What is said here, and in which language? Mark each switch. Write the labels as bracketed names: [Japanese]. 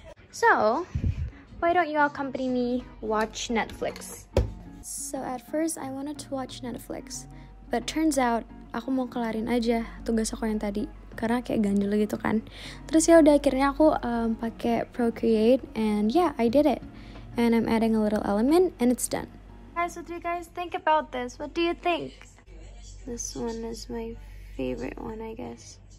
[English] So why don't you all accompany me watch Netflix? So at first I wanted to watch Netflix. But turns out, [Indonesian] aku mau kelarin aja tugas aku yang tadi karena kayak ganjel gitu kan. Terus ya udah akhirnya aku pakai Procreate [English] and yeah, I did it. And I'm adding a little element and it's done. Guys, what do you guys think about this? What do you think? This one is my favorite one, I guess.